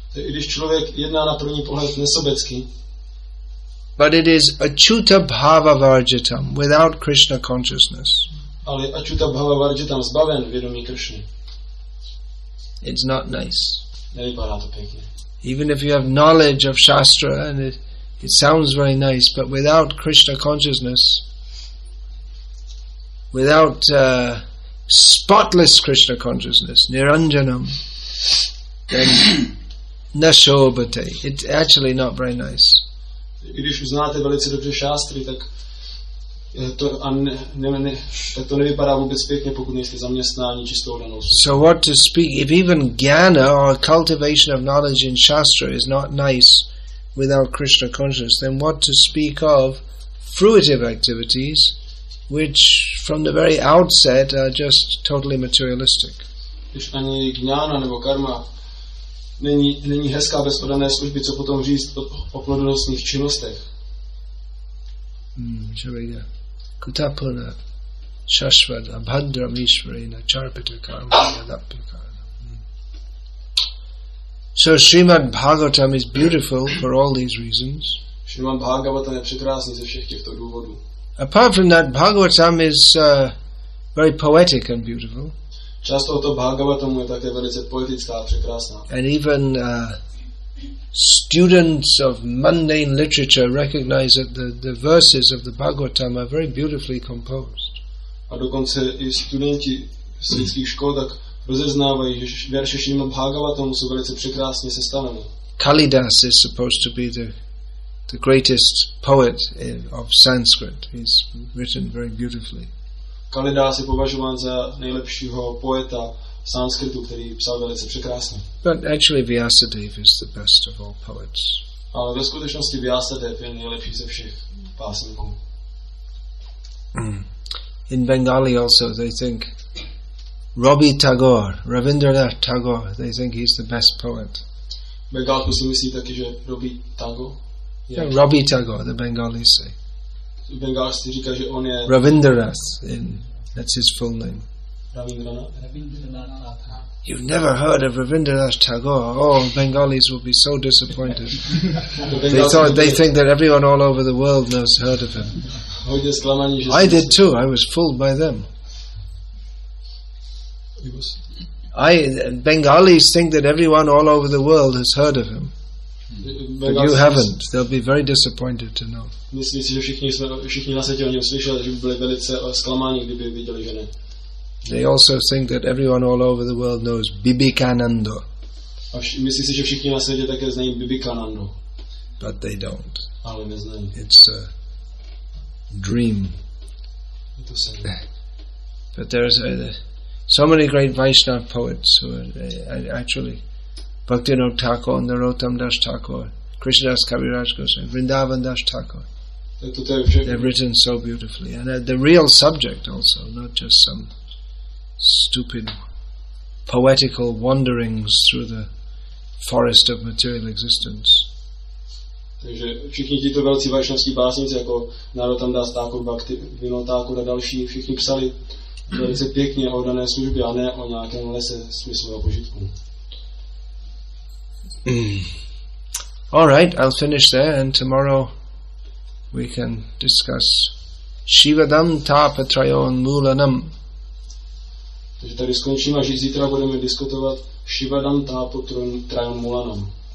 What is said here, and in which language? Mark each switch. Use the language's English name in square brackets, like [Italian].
[Czech] když člověk jedná na první pohled nesobecky, [English] but it is [Sanskrit] achuta bhava varjitam, [English] without Krishna consciousness. [Czech] Ale [Sanskrit] achuta bhava varjitam, [Czech] zbaven vědomí Krishny. [English] It's not nice. [Czech] Nevypadá to pěkně. [English] Even if you have knowledge of Shastra and it sounds very nice, but without Krishna consciousness, without spotless Krishna consciousness, niranjanam, then nashobate. It's actually not very nice. [Czech] Když znáte velice dobře Shastry, tak to, a ne, tak to nevypadá vůbec pěkně, pokud nejste zaměstnání čistou danou. [English] So what to speak, if even jnana or cultivation of knowledge in Shastra is not nice without Krishna consciousness, then what to speak of fruitive activities which from the very outset are just totally materialistic. [Czech] Když ani jnana nebo karma není hezká bez podané služby, co potom říct o plodonosných činnostech. [Sanskrit] Sharia. Kutapuna Shashvad Abhadram Ishvarina Charpita Karma Dapikarna. [English] So Srimad Bhagavatam is beautiful for all these reasons. [Czech] Srimad Bhagavatam je překrásný ze všech těchto důvodů. [English] Apart from that, Bhagavatam is very poetic and beautiful. [Czech] Často to Bhagavatam je také velice poetická a překrásná. [English] And even students of mundane literature recognize that the verses of the Bhagavatam are very beautifully composed. [Czech] A dokonce i studenti světských škol tak rozeznávají, že verše Srimad Bhagavatam jsou velice překrásně sestaveny. [English] Kalidas is supposed to be the greatest poet of Sanskrit. He's written very beautifully. [Czech] Kalidas je považován za nejlepšího poeta sanskritu, který psal velice překrásně. [English] But actually Vyasadeva is the best of all poets. [Czech] Ale ve skutečnosti Vyasadeva je nejlepší ze všech básníků. [English] In Bengali also they think Robi Tagore, Rabindranath Tagore, they think he's the best poet. [Czech] Bengalku si myslí taky, že Robi Tagore? [English] Yeah, Robi Tagore, the Bengalis say. [Czech] Bengalci říká, že on je [English] Rabindranath, that's his full name. Rabindranath. You've never heard of Rabindranath Tagore. Oh, Bengalis will be so disappointed. they think that everyone all over the world knows heard of him. I did too. I was fooled by them. Bengalis think that everyone all over the world has heard of him. But you haven't. They'll be very disappointed to know. [Czech] Myslím si, že všichni na světě o něm slyšeli, že by byli velice zklamáni, kdyby viděli, že ne. [English] They also think that everyone all over the world knows Bibikananda. [Czech] Myslí si, že všichni na světě také znají Bibikananda. [English] But they don't. [Czech] Ale neznají. [English] It's a dream. [Czech] Je to sen. [English] But there's so many great Vaishnava poets who are actually Bhaktivinoda Thakur, Narottam Das Thakur, Krishnadas Kaviraj Goswami, Vrindavan Das Thakur. They've written so beautifully. And the real subject also, not just some stupid poetical wanderings through the forest of material existence. [Czech] Takže všichni tito velcí vaišnavští básníci jako Narottam Das Thakur, Bhaktivinoda Thakur a další, všichni psali velice pěkně o dané službě, a ne o nějakém lese smyslu a požitku. [English] All right, I'll finish there and tomorrow we can discuss [Sanskrit] Shivadam Tapatrayon Mulanam. [Czech] Takže tady skončíme a zítra budeme diskutovat [Sanskrit] Shivadam Tapatrayon Mulanam.